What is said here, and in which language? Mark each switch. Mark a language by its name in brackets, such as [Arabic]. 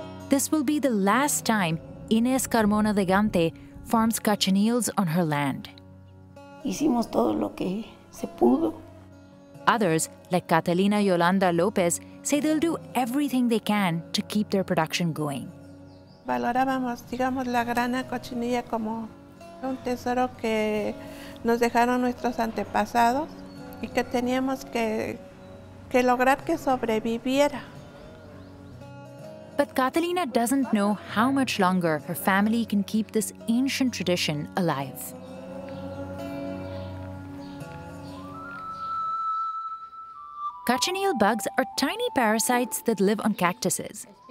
[English] This will be the last time Ines Carmona de Gante farms cochineals on her land. [Spanish] Hicimos todo lo que se pudo. [English] Others, like Catalina Yolanda Lopez, say they'll do everything they can to keep their production going. [Spanish] Valorábamos, digamos, la grana cochinilla como un tesoro que nos dejaron nuestros antepasados y que teníamos que lograr que sobreviviera. [English] But Catalina doesn't know how much longer her family can keep this ancient tradition alive. Cochineal bugs are tiny parasites that live on cactuses.